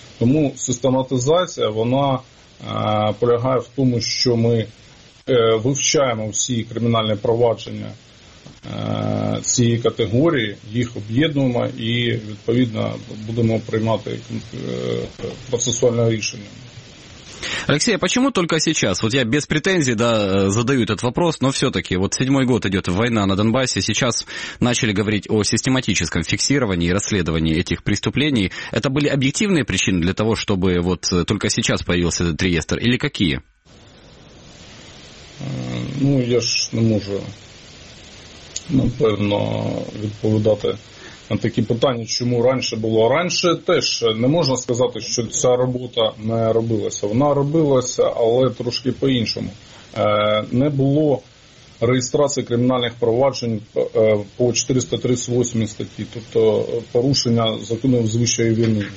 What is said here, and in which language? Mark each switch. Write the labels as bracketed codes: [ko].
[uk] Тому систематизація, вона полягає в тому, що ми вивчаємо всі кримінальні провадження цієї категорії, їх об'єднуємо і, відповідно, будемо приймати процесуальне рішення. [ru] Алексей, а почему только сейчас? Вот я без претензий задаю этот вопрос, но все-таки вот 7-й год идет война на Донбассе, сейчас начали говорить о систематическом фиксировании и расследовании этих преступлений. Это были объективные причины для того, чтобы вот только сейчас появился этот реестр, или какие? [uk] Ну, я ж не можу, напевно, відповідати на такі питання, чому раніше було. Раніше теж не можна сказати, що ця робота не робилася. Вона робилася, але трошки по-іншому. Не було реєстрації кримінальних проваджень по 438 статті, тобто порушення закону вищої вини.